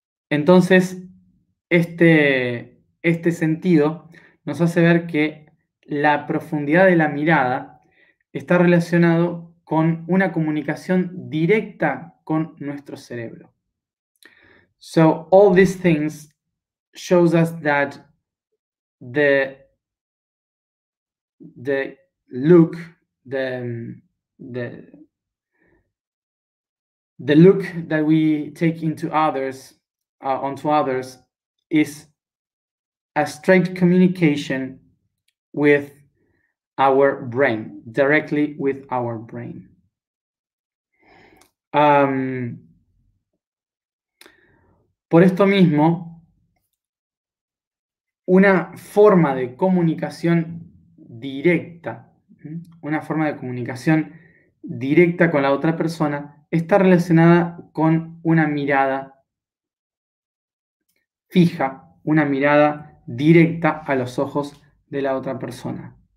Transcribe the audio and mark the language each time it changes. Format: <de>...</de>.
<es>Entonces, este sentido nos hace ver que la profundidad de la mirada está relacionado con una comunicación directa con nuestro cerebro.</es> <en>So all these things shows us that the look, the look that we take into others, onto others, is a straight communication with our brain, directly with our brain.</en> <es>Por esto mismo, una forma de comunicación directa, una forma de comunicación directa con la otra persona está relacionada con una mirada fija, una mirada directa a los ojos de la otra persona.</es>